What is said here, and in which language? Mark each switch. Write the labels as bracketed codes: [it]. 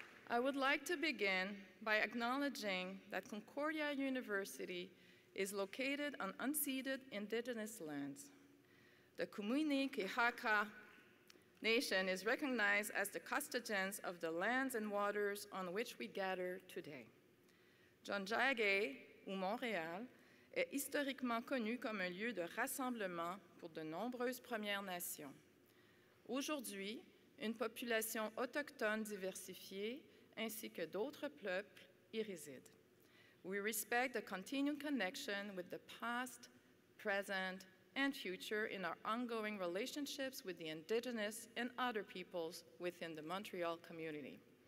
[en] I would like to begin by acknowledging that Concordia University is located on unceded indigenous lands. The Kumuini Kihaka Nation is recognized as the custodians of the lands and waters on which we gather today. [fr] John Jagay, ou Montréal, est historiquement connu comme un lieu de rassemblement pour de nombreuses Premières Nations. Aujourd'hui, une population autochtone diversifiée ainsi que d'autres peuples y résident. [en] We respect the continued connection with the past, present, and future in our ongoing relationships with the Indigenous and other peoples within the Montreal community.